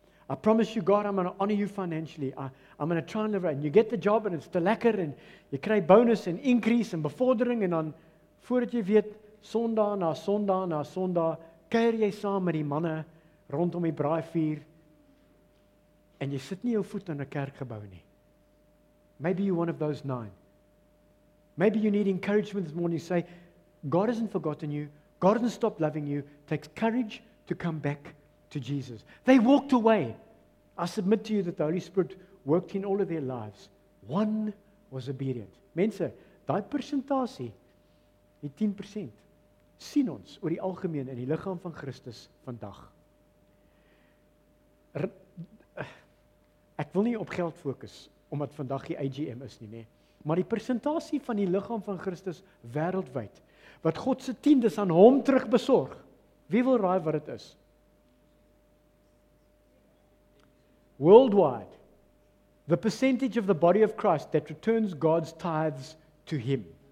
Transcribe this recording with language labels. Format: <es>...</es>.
<en>I promise you, God, I'm going to honor you financially. I'm going to try and live right. And you get the job and it's</en> <af>te lekker</af> <en>and you create bonus and increase and</en> <af>bevordering</af> <en>and on.</en> <af>Voordat jy weet, Sondag na Sondag na Sondag, kuier jy saam met die manne rondom die braaivuur en jy sit nie jou voet in 'n kerkgebou nie.</af> <en>Maybe you're one of those 9. Maybe you need encouragement this morning. Say, God hasn't forgotten you. God hasn't stopped loving you. It takes courage to come back to Jesus. They walked away. I submit to you that the Holy Spirit worked in all of their lives. One was obedient.</en> <af>Mense, daai persentasie, die 10% sien ons oor die algemeen in die liggaam van Christus vandag. ek wil nie op geld fokus, omdat vandag die AGM is nie, nee. Maar die presentasie van die liggaam van Christus wereldwijd, wat God se tiendes aan hom terugbesorg, wie wil raai wat het is?</af> <en>Worldwide, the percentage of the body of Christ that returns God's tithes to him.</en>